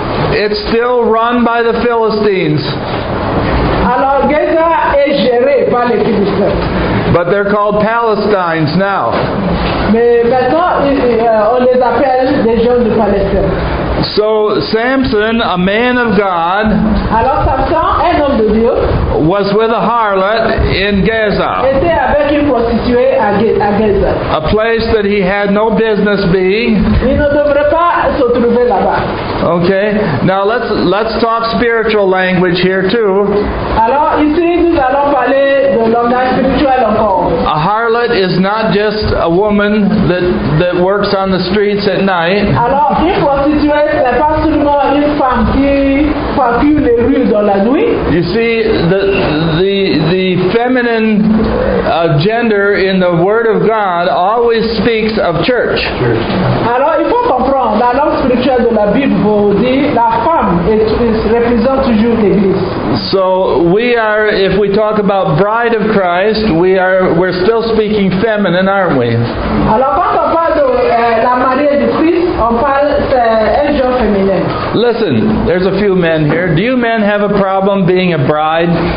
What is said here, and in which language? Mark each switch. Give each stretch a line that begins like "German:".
English: It's still run by the Philistines.
French: Alors Gaza est géré par les Philistins.
English: But they're called Palestines now.
French: Mais maintenant, on les appelle des gens de Palestine.
English: So Samson, a man of God,
French: alors, Samson, un homme de Dieu,
English: was with a harlot in Gaza.
French: Était avec une prostituée à Gaza.
English: A place that he had no business being.
French: Il ne devrait pas se trouver là-bas.
English: Okay. Now let's talk spiritual language here too.
French: Alors ici nous allons parler de langage spirituel encore.
English: a harlot is not just a woman that works on the streets at night.
French: Alors, une prostituée, c'est pas seulement une femme qui parcourt les rues dans la nuit.
English: You see, the feminine gender in the Word of God always speaks of church.
French: Alors, il faut comprendre, la langue spirituelle de la Bible dit la femme représente toujours l'église.
English: So we are, if we talk about bride of Christ, we're still speaking feminine, aren't we?
French: Alors quand on parle de la mariée du Christ, on parle c'est un genre féminin.
English: Listen, there's a few men here. Do you men have a problem being a bride?